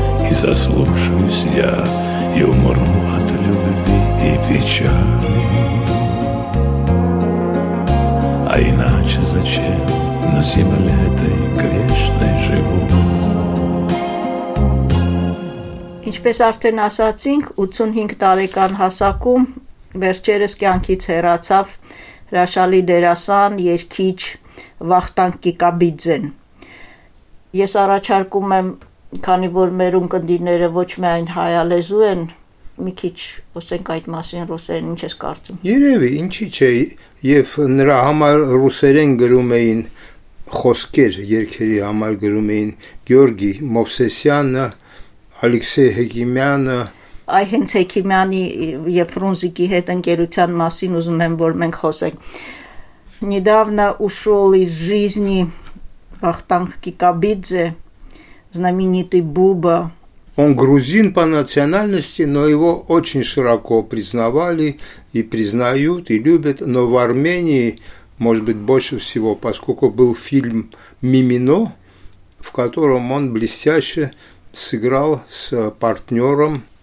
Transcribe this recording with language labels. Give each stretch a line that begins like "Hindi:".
Russian: И заслушаюсь я, и умру от любви и печали. А иначе зачем на земле этой грешной живу?
Armenian: Ինչպես արդեն ասացինք, 85 տարեկան հասակում վերջերս կյանքից հեռացավ հրաշալի դերասան, երգիչ Վախթանգ Կիկաբիձեն։ Ես առաջարկում եմ, քանի որ մեր ունկնդիրները ոչ միայն հայալեզու են, մի քիչ ասենք այդ մասին ռուսերեն, ինչ ես կարծում։ Երևի, ինչի՞ չէ, եւ նրա համար ռուսերեն գրում էին խոսքեր, երգերի համար գրում էին Գյորգի Մովսեսյանը, Ալեքսեյ Հեկիմյանը։ Այ հենց Հեկիմյանի եւ Ֆրունզիկի հետ ընկերության մասին ուզում եմ, որ մենք խոսենք։
Russian: Недавно ушёл из жизни Вахтанг Кикабидзе, знаменитый Буба. Он грузин по национальности, но его очень широко признавали и признают, и любят. Но в Армении, может быть, больше всего, поскольку был фильм «Мимино», в котором он блестяще сыграл с партнером